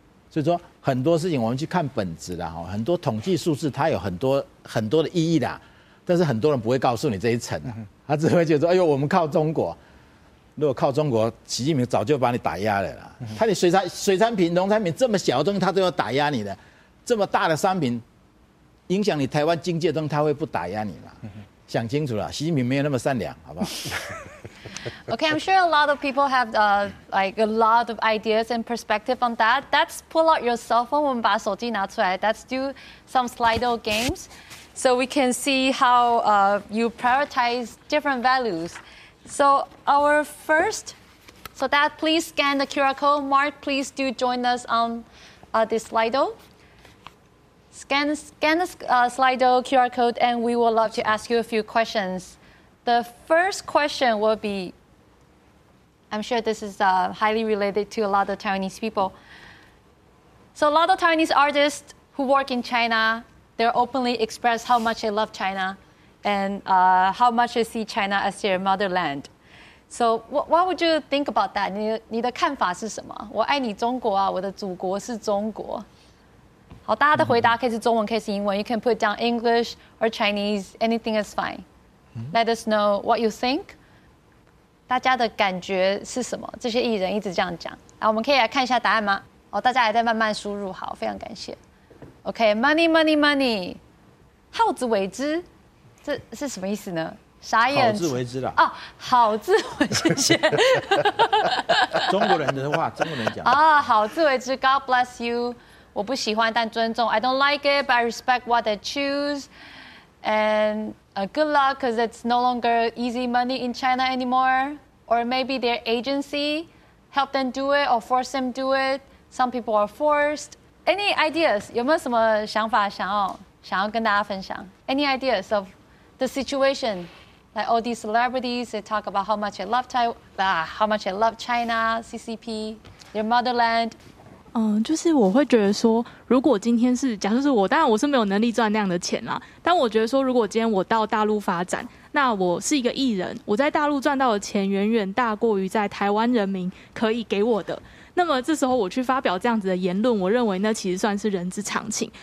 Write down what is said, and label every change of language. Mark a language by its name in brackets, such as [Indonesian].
[Chinese] 所以说很多事情我们去看本质啦，很多统计数字它有很多很多的意义啦，但是很多人不会告诉你这一层啦，他只会觉得说，哎呦，我们靠中国。如果靠中国，习近平早就把你打压了啦。他的水产品、农产品这么小的东西，他都要打压你的，这么大的商品。影响你台湾经济的东西，他会不打压你吗？想清楚了，习近平没有那么善良，好不好 [English] ？Okay, I'm sure a lot of people have like a lot of ideas and perspective on that. That's pull out your cell phone. [Chinese] 我们把手机拿出来 [English] ，Let's do some Slido games, so we can see how you prioritize different values. So our first, so Dad, please scan the QR code. Mark, please do join us on this Slido. Scan the Slido QR code and we would love to ask you a few questions. The first question will be, I'm sure this is highly related to a lot of Taiwanese people. So a lot of Taiwanese artists who work in China, they openly express how much they love China and how much they see China as their motherland. So what would you think about that? [Chinese] 你的看法是什么？我爱你中国啊，我的祖国是中国。好，大家的回答可以是中文，可以是英文。 [English] You can put down English or Chinese, anything is fine. Let us know what you think. [Chinese] 大家的感觉是什么？这些艺人一直这样讲。我们可以来看一下答案吗？哦，大家还在慢慢输入，好，非常感谢。 [English] OK, money, money, money. [Chinese] 好自为之，这是什么意思呢？傻眼。好自为之啦。哦，好自为之，谢谢。中国人的话，中国人讲。啊，好自为之 ， [English] God bless you. [Chinese] 我不喜欢但尊重 [English] I don't like it but I respect what they choose and good luck because it's no longer easy money in China anymore or maybe their agency help them do it or force them do it some people are forced any ideas [Chinese] 有没有什么想法想要跟大家分享 [English] any ideas of the situation like all these celebrities they talk about how much they love Taiwan how much they love China CCP their motherland [Chinese] 就是我会觉得说，如果今天是假设是我，当然我是没有能力赚那样的钱啦。但我觉得说，如果今天我到大陆发展，那我是一个艺人，我在大陆赚到的钱远远大过于在台湾人民可以给我的。那么这时候我去发表这样子的言论，我认为那其实算是人之常情。